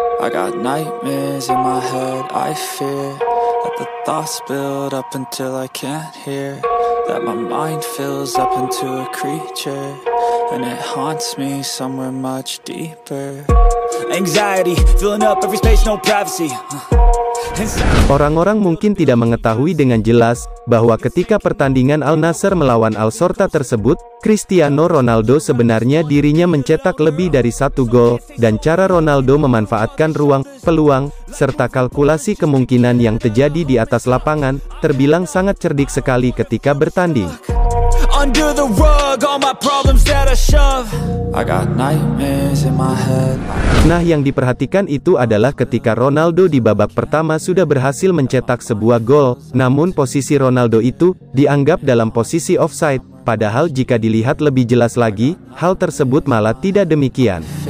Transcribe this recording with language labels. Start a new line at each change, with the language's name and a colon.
English: got nightmares in my head. I fear that the thoughts build up until I can't hear. That my mind fills up into a creature, and it haunts me somewhere much deeper. Anxiety filling up every space, no privacy.
Indonesian: Orang-orang mungkin tidak mengetahui dengan jelas bahwa ketika pertandingan Al Nassr melawan Al Sorta tersebut, Cristiano Ronaldo sebenarnya dirinya mencetak lebih dari satu gol, dan cara Ronaldo memanfaatkan ruang, peluang, serta kalkulasi kemungkinan yang terjadi di atas lapangan terbilang sangat cerdik sekali ketika bertanding.
English: Under the rug, all my problems that I shove. I got nightmares in my head.
Indonesian: Nah, yang diperhatikan itu adalah ketika Ronaldo di babak pertama sudah berhasil mencetak sebuah gol, namun posisi Ronaldo itu dianggap dalam posisi offside, padahal jika dilihat lebih jelas lagi, hal tersebut malah tidak demikian.